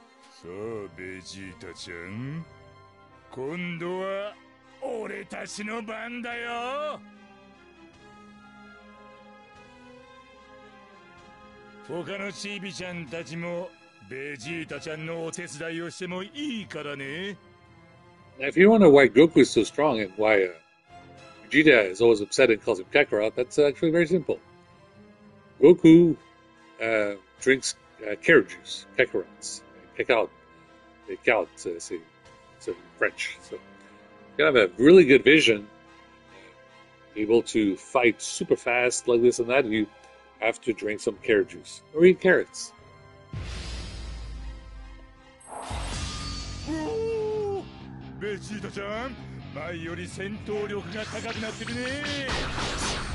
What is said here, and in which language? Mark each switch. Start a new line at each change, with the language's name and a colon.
Japanese: さあベジータちゃん、今度は俺たちの番だよ。他のチビちゃんたちもベジータちゃんのお手伝いをしてもいいからね。
English: If you wonder why Goku is so strong and why Vegeta is always upset and calls him Kakarot, that's actually very simple. Goku drinks carrot juice, Kakarots, Kakarot, Kakarot, see, it's in French. So he can have a really good vision, able to fight super fast like this and that, and you have to drink some carrot juice or eat carrots.
Japanese: ベジータちゃん、前より戦闘力が高くなってるね。